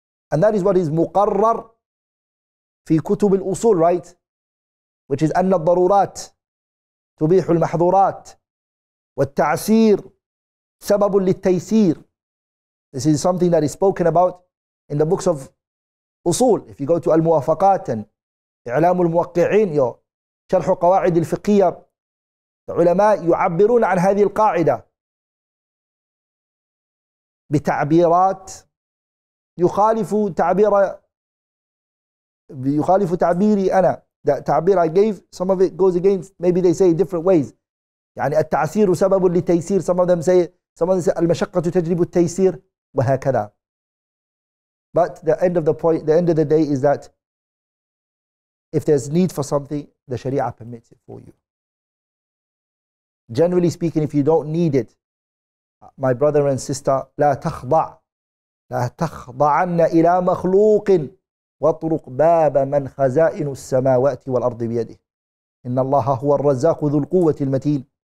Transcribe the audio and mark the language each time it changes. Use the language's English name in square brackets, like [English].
[English] And that is what is [Arabic] مُقَرَّر فِي كُتُبِ الْأُصُولِ, [English] right? Which is [Arabic] أَنَّ الضَّرُورَاتِ تُبِيحُ الْمَحْضُورَاتِ وَالتَّعْسِيرِ سَبَبٌ لِلْتَيْسِيرِ. [English] This is something that is spoken about in the books of أُصُول. If you go to [Arabic] الْمُوَافَقَاتًا, إِعْلَامُ الْمُوَقِّعِينَ, your شَرْحُ قَوَاعِدِ الْفِقِيَّةِ, the ulama يعبرون عن هذه القاعدة بتعبيرات يخالف تعبيري أنا. [English] That تعبير I gave, some of it goes against, maybe they say different ways. [Arabic] يعني التعسير سبب لتيسير, [English] some of them say [Arabic] المشقة تجلب التيسير وهكذا. [English] But the end of the point, the end of the day is that if there's need for something, the Sharia permits it for you. Generally speaking, if you don't need it, my brother and sister, [Arabic] لَا تَخْضَعَنَّ إِلَى مَخْلُوقٍ وَطْرُقْ بَابَ مَنْ خَزَائِنُ السَّمَاوَاتِ وَالْأَرْضِ بِيَدِهِ إِنَّ اللَّهَ هُوَ الرَّزَّاقُ ذُو الْقُوَّةِ الْمَتِينَ.